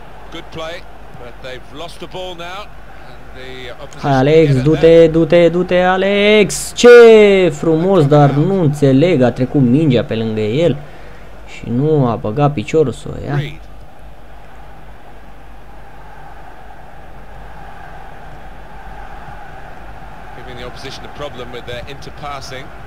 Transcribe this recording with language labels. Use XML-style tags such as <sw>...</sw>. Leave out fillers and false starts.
<en>Good play, but they've lost the ball now. And the</en> <ro>hai Alex, du-te, du-te, du-te, Alex! Ce frumos, dar nu înțeleg, a trecut mingea pe lângă el și nu a băgat piciorul să o ia.</ro> <en>Giving the opposition a problem with their interpassing.</en>